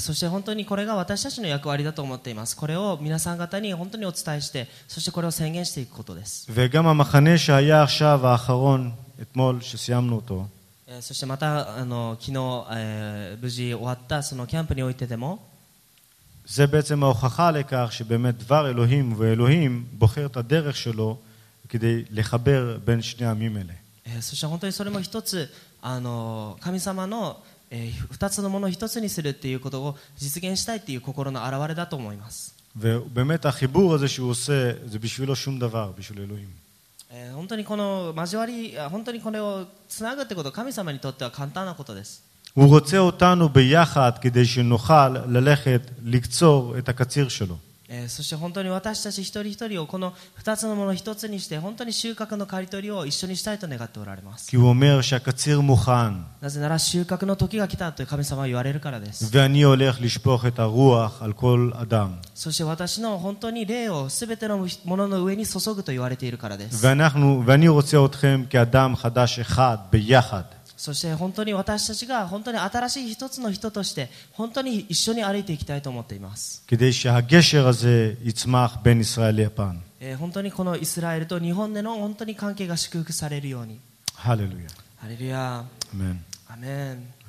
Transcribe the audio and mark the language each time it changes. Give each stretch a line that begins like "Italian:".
Japanese: そして本当にこれが私たちの役割だと思っています。これを皆さん方に本当にお伝えして、そしてこれを宣言していくことです。ヴェガママハネシャヤーシャワーハロンエトモルシシヤムノト。そしてまた昨日、無事終わったそのキャンプにおいてでも。
Hebrew: זה בעצם ההוכחה לכך שבאמת דבר אלוהים ואלוהים בוחר את הדרך שלו כדי לחבר בין שני עמים אלה.
Japanese: そして本当にそれも一つ、神様の二つのものを一つにするっていうことを実現したいっていう心の表れだと思います。
Hebrew: ובאמת החיבור הזה שהוא עושה זה בשבילו שום דבר, בשביל אלוהים.
Japanese: 本当にこの交わり、本当にこれをつなぐってこと、神様にとっては簡単なことです。
Hebrew: הוא רוצה אותנו ביחד כדי שנוכל ללכת לקצור את הקציר שלו.
Japanese: そして本当に私たち一人一人をこの二つのものを一つにして本当に収穫の刈り取りを一緒にしたいと願っておられます。
Hebrew: כי הוא אומר שהקציר מוכן.
Japanese: なぜなら収穫の時が来たと神様は言われるからです。
Hebrew: ואני הולך לשפוך את הרוח על כל אדם.
Japanese: そして私の本当に霊をすべてのものの上に注ぐと言われているからです。
Hebrew: ואני רוצה אתכם כאדם חדש אחד ביחד.
Japanese: そして本当に私たちが本当に新しい一つの人として本当に一緒に歩いていきたいと思っています。
Hebrew: כדי שהגשר הזה יצמח בין ישראל ליפן.
Japanese: 本当にこのイスラエルと日本での本当に関係が祝福されるように。ハレルヤ。ハレルヤ。アメン。アメン。